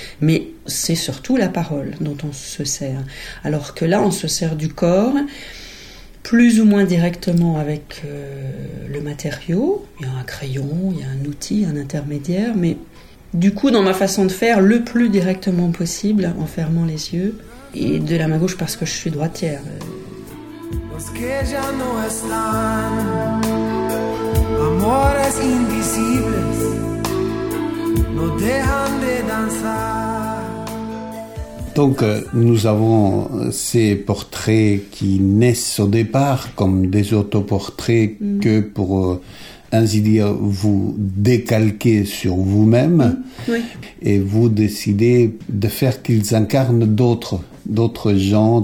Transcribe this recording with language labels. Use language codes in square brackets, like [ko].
[fr] Mais c'est surtout la parole dont on se sert. Alors que là, on se sert du corps, plus ou moins directement avec le matériau. Il y a un crayon, il y a un outil, un intermédiaire. Mais du coup, dans ma façon de faire, le plus directement possible, en fermant les yeux, et de la main gauche parce que je suis droitière. [es] Los que ya no están, amores invisibles, no dejan de danzar. [fr] Donc, nous avons ces portraits qui naissent au départ comme des autoportraits que pour ainsi dire, vous décalquez sur vous-même et vous décidez de faire qu'ils incarnent d'autres gens.